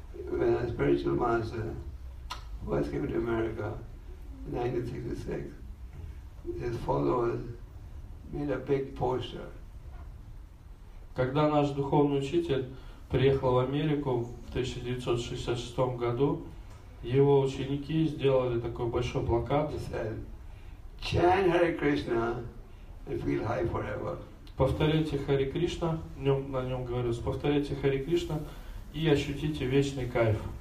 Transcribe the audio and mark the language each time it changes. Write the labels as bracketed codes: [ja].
[en] When a spiritual master first came to America in 1966, his followers made a big poster. [ru] Когда наш духовный учитель приехал в Америку в 1966 году, его ученики сделали такой большой плакат. [en] He said, "Chant Hare Krishna and feel high forever." [ru] Повторяйте Хари Кришна, на нем говорилось, повторяйте Хари Кришна и ощутите вечный кайф.